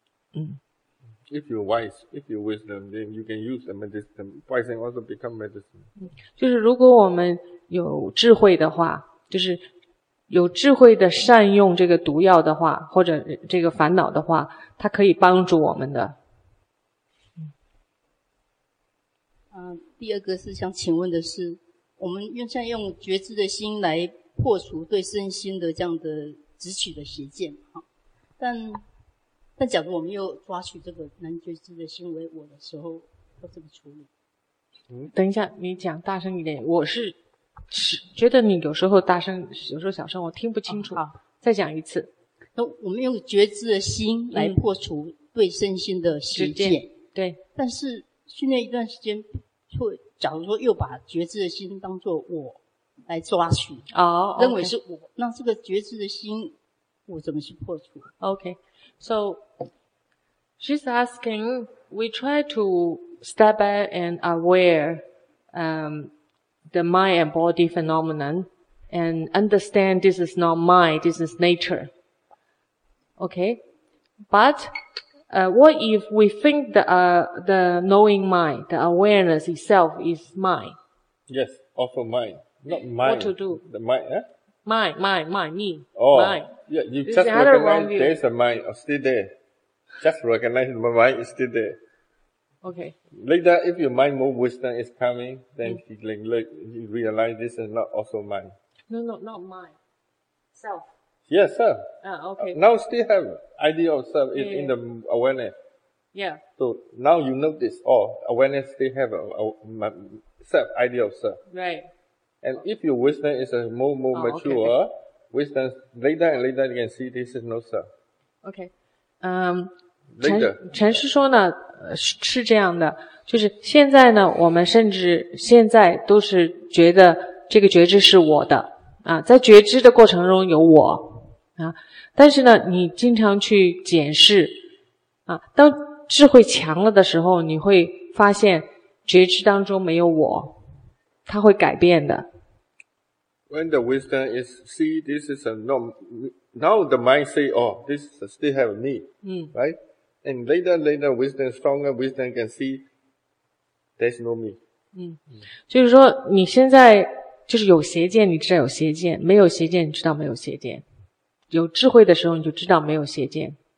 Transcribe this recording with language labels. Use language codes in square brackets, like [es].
[en] If you're wise, if you're wisdom, then you can use the medicine. Poison also become medicine. [zh] 就是如果我们有智慧的话，就是。有智慧的善用这个毒药的话，或者这个烦恼的话，它可以帮助我们的。第二个是想请问的是，我们用像用觉知的心来破除对身心的这样的执取的邪见，但假如我们又抓取这个能觉知的心为我的时候，要怎么处理？等一下，你讲大声一点，我是。是觉得你有时候大声，有时候小声，我听不清楚。好，再讲一次。那我们用觉知的心来破除对身心的邪见，对。但是训练一段时间，会假如说又把觉知的心当作我来抓取，哦，认为是我， [en] okay. [zh] 那这个觉知的心，我怎么去破除 [en] ？Okay, so she's asking. We try to step back and aware, the mind and body phenomenon, and understand this is not mind. This is nature. Okay, but. What if we think the knowing mind, the awareness itself is mind? Yes, also mind. Not mind. What to do? The mind, eh? Mind, me. Oh, mind. Yeah, you just recognize there's a mind, still there. Just recognize my mind is still there. Okay. Like that, if your mind more wisdom is coming, then you realize this is not also mind. No, not mind. Self. Yes, sir. Ah, okay. Now still have idea of self in the awareness. Yeah. So now you notice, oh, awareness still have self, idea of self. Right. And if your wisdom is more mature, wisdom later you can see this is no self. Okay. [zh] Chen 是说呢，是这样的，就是现在呢，我们甚至现在都是觉得这个觉知是我的啊，在觉知的过程中有我。啊，但是呢，你经常去检视，啊，当智慧强了的时候，你会发现觉知当中没有我，它会改变的。 [en] When the wisdom is see, this is a no. Now the mind say, oh, this still have me. Right? And later, wisdom stronger, wisdom can see, there's no me. [zh] 嗯，就是说你现在就是有邪见，你知道有邪见；没有邪见，你知道没有邪见。有智慧的时候，你就知道没有邪见。